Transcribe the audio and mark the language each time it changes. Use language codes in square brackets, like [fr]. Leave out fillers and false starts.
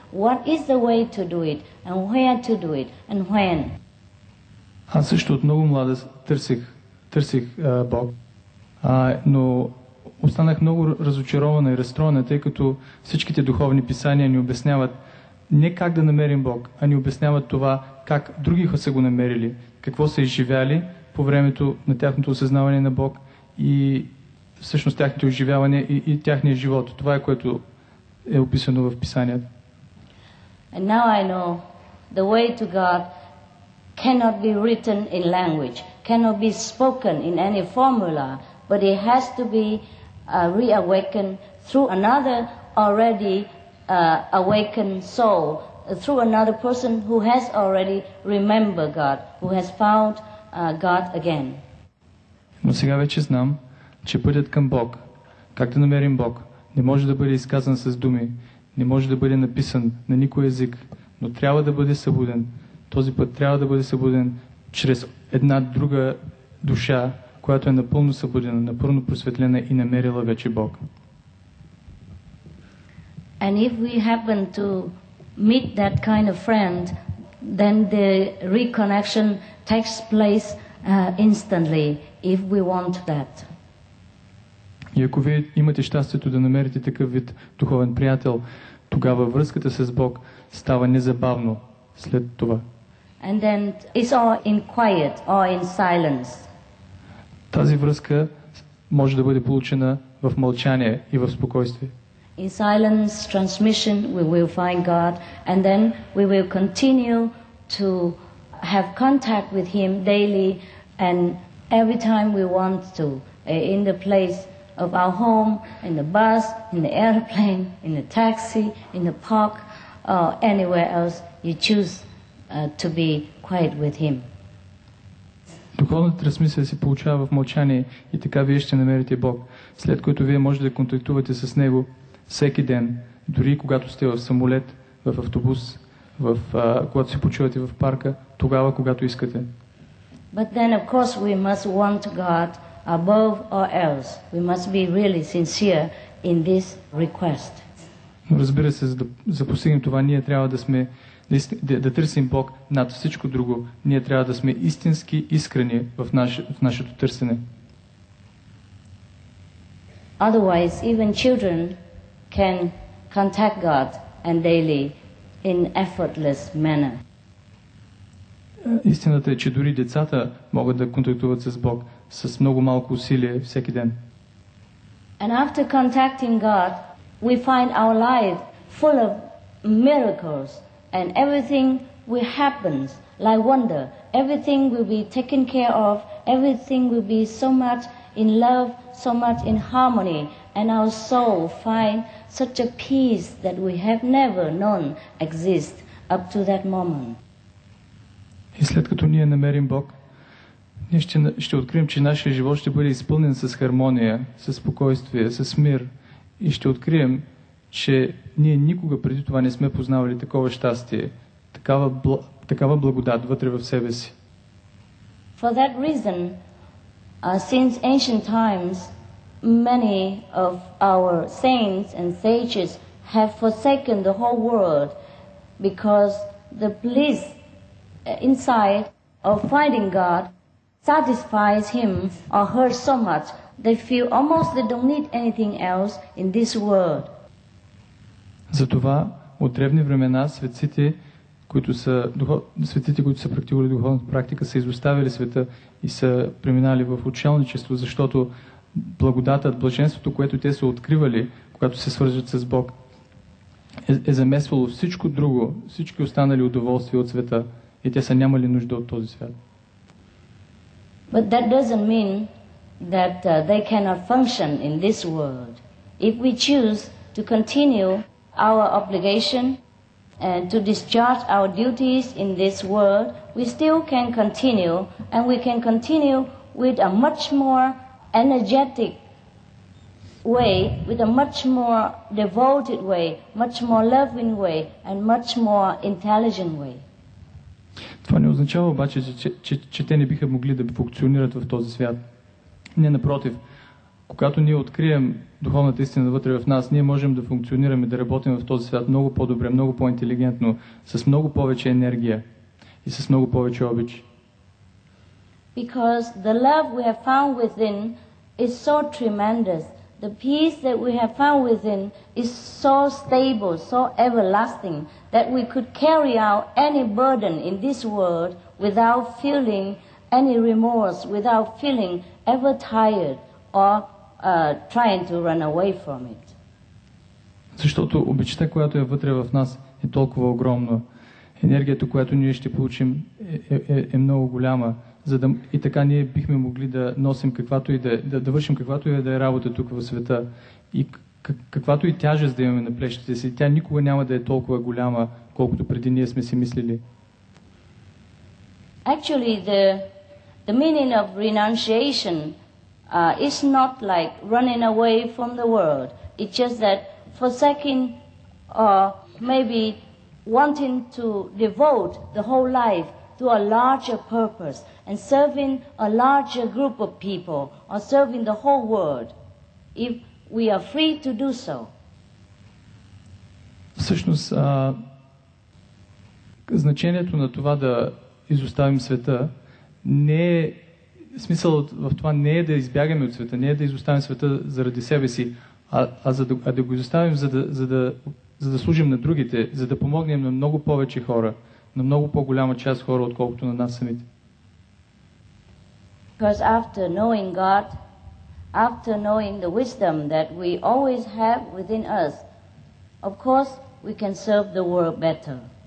[en] What is the way to do it and where to do it and when? [bg] Аз също от много млада търсих Бог, но останах много разочарована и разстроена, тъй като всичките духовни писания ни обясняват не как да намерим Бог, а ни обясняват това как други хора са го намерили, какво са изживяли по времето на тяхното осъзнаване на Бог и всъщност тяхните оживявания и тяхния живот. Това е което е описано в писанията. [en] And now I know the way to God cannot be written in language, cannot be spoken in any formula, but it has to be reawakened through another already awakened soul, through another person who has already remembered God, who has found God again. [bg] Но сега вече знам, че пътят към Бог, как да намерим Бог, не може да бъде изказан с думи, не може да бъде написан на никой език, но трябва да бъде събуден. Този път трябва да бъде събуден чрез една друга душа, която е напълно събудена, напълно просветлена и намерила вече Бог. [en] And if we happen to meet that kind of friend, then the reconnection takes place instantly, if we want that. [bg] И ако вие имате щастието да намерите такъв вид духовен приятел, тогава връзката с Бог става незабавно след това. [en] And then it's all in quiet or in silence. [bg] Тази връзка може да бъде получена в мълчание и в спокойствие. [en] In silence transmission, we will find God, and then we will continue to have contact with Him daily, and every time we want to, in the place of our home, in the bus, in the airplane, in the taxi, in the park, or anywhere else you choose to be quiet with Him. [bg] Духовната трансмисия се получава в мълчание и така вие ще намерите Бог, след което вие можете да контактувате с Него всеки ден, дори когато сте в самолет, в автобус, в, когато се почувате в парка, тогава, когато искате. [en] But then, of course, we must want God above all else. We must be really sincere in this request. [bg] Но разбира се, за постигнем това, ние трябва да сме да търсим Бог над всичко друго. Ние трябва да сме истински искрени в нашето търсене. [en] Otherwise, even children can contact God and daily in effortless manner. [bg] Истината е, че дори децата могат да контактуват с Бог с много малко усилие всеки ден. [en] And after contacting God, we find our life full of miracles. And everything will happen like wonder. Everything will be taken care of. Everything will be so much in love, so much in harmony. And our soul find such a peace that we have never known exist up to that moment. [bg] И след като ние намерим Бог, ние ще открием, че нашия живот ще бъде изпълнен с хармония, с спокойствие, с мир. И ще открием, че ние никога преди това не сме познавали такова щастие, такава благодат вътре в себе си. [en] For that reason, since ancient times, many of our saints and sages have forsaken the whole world because the bliss inside of finding God satisfies him or her so much, they feel almost they don't need anything else in this world. [bg] Затова от древни времена светците, които са практикували духовната практика, са изоставили света и са преминали в отшелничество, защото благодатът, блаженството, което те са откривали, когато се свържат с Бог, е замесвало всичко друго, всички останали удоволствия от света и те са нямали нужда от този свят. [en] But that doesn't mean that they cannot function in this world. If we choose to continue our obligation and to discharge our duties in this world, we still can continue, and we can continue with a much more energetic way, with a much more devoted way, much more loving way, and much more intelligent way. [bg] Това не означава обаче, че те не биха могли да функционират в този свят. Не, напротив. Когато ние открием духовната истина вътре в нас, ние можем да функционираме, да работим в този свят много по-добре, много по-интелигентно, с много повече енергия и с много повече обич. [en] Because the love we have found within is so tremendous. The peace that we have found within is so stable, so everlasting, that we could carry out any burden in this world without feeling any remorse, without feeling ever tired or trying to run away from it. [bg] Защото обичта, която е вътре в нас, е толкова огромна. Енергията, която ние ще получим, е много голяма. За да, и така ние бихме могли да носим каквато и да вършим каквато и да е работа тук в света. И каквато и тяжест да имаме на плещите си, тя никога няма да е толкова голяма, колкото преди ние сме си мислили. [en] Actually, the meaning of renunciation it's not like running away from the world. It's just that forsaking or maybe wanting to devote the whole life to a larger purpose and serving a larger group of people or serving the whole world, if we are free to do so. [bg] Всъщност, значението на това да изоставим света не е. Смисълът в това не е да избягаме от света, не е да изоставим света заради себе си, а да го изоставим, за да служим на другите, за да помогнем на много повече хора, на много по-голяма част хора, отколкото на нас самите. [en] Because after knowing God, after knowing the wisdom that we always have within us, Of course, we can serve the world better.